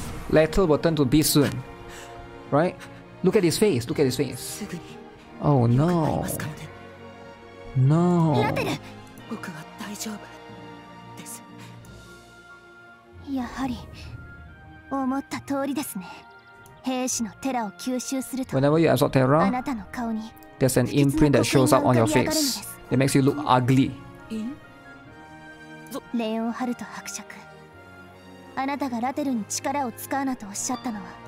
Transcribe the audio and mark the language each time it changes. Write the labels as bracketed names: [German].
[English] Let her turn to be soon. Right? Look at his face. Look at his face. [Japanese] すぐに。 [English] Oh no. No. [Japanese] ラテル、僕は大丈夫です。やはり思った通りですね。兵士のテラを吸収すると。 [English] Whenever you assault Terra, [Japanese] あなたの顔に。 [English] There's an imprint that shows up on your face. It makes you look ugly. [Japanese] レオンハルト伯爵、あなたがラテルに力を使うなとおっしゃったのは、